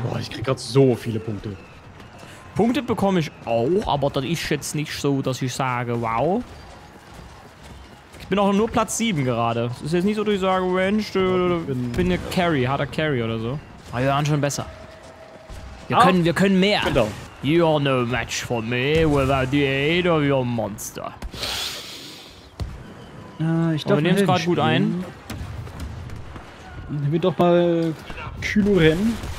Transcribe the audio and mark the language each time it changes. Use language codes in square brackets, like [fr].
[de] Boah, ich krieg grad so viele Punkte. Punkte bekomme ich auch, aber das ist jetzt nicht so, dass ich sage, wow. Ich bin auch nur Platz 7 gerade. Es ist jetzt nicht so, dass ich sage, Mensch, ich bin ja Carry, harter Carry oder so. Aber wir waren schon besser. Wir können mehr. Genau. [en] You're no match for me without the aid of your monster. [de] Aber wir nehmen es gerade gut ein. Nehmen wir doch mal Kylo-Ren.